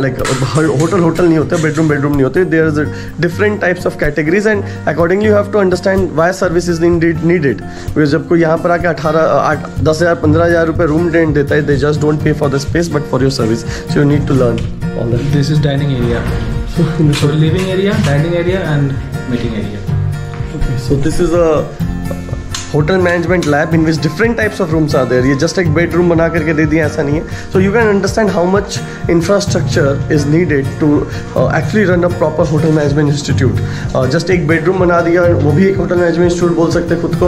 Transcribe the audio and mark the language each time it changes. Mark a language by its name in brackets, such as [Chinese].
[Hindi] Like hotel hotel नहीं होते, [English] Bedroom bedroom नहीं होते. There is different types of categories and accordingly you have to understand why service is needed. [Hindi] Because जब कोई यहाँ पर आके 10,000-15,000 रुपए रूम रेंट देता है, [English] They just don't pay for the space but for your service. So you need to learn all that. This is dining area. So living area, dining area and meeting area. Okay, so this is a hotel management lab in which different types of rooms are there. [Hindi] ये just एक bedroom बना करके दे दिया ऐसा नहीं है. [English] So you can understand how much infrastructure is needed to actually run a proper hotel management institute. [Hindi] Just एक bedroom बना दिया वो भी एक होटल मैनेजमेंट इंस्टीट्यूट बोल सकते हैं खुद को.